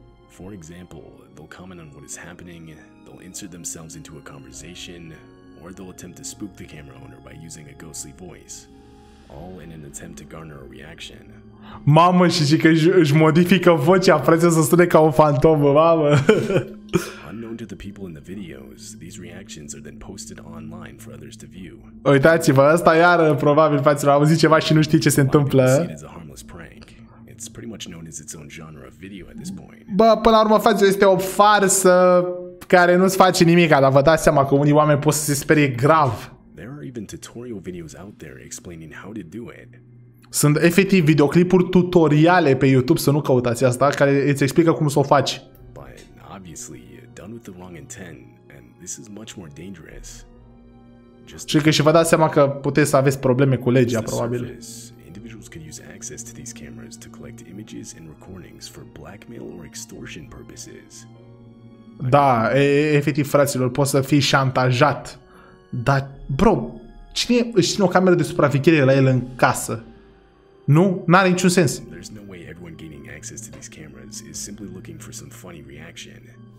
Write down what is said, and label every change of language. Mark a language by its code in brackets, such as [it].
[en] For example, they'll comment on what is happening, they'll insert themselves into a conversation, or they'll attempt to spook the camera owner by using a ghostly voice, all in an attempt to garner a reaction. [ro] Mamă, și zic că își modifică vocea, frate, să sune ca un fantom, mamă. [en] Unknown to the people in the videos, these reactions are then posted online for others to view. [ro] Uitați-vă, asta iar probabil face rău, auzi ceva și nu știi ce se întâmplă. [en] It's pretty much known as its own genre of video at this point. [ro] Bă, până la urmă, face este o farsă care nu-ți face nimic, dar vă dați seama că unii oameni pot să se sperie grav. [en] There are even tutorial videos out there explaining how to do it. [ro] Sunt efectiv videoclipuri tutoriale pe YouTube, să nu căutați asta, care îți explică cum să o faci. [en] But obviously, done with the wrong intent, and this is much more dangerous. [ro] Just că și vă dați seama că puteți să aveți probleme cu legea, probabil. [en] Individuals can use access to these cameras to collect images and recordings for blackmail or extortion purposes. [ro] Da, efectiv, fraților, poți să fii șantajat. Dar, bro, cine își ține o cameră de supraveghere la el în casă? Nu, n-are niciun sens. [en] There's no way everyone gaining access to these cameras is simply looking for some funny reaction.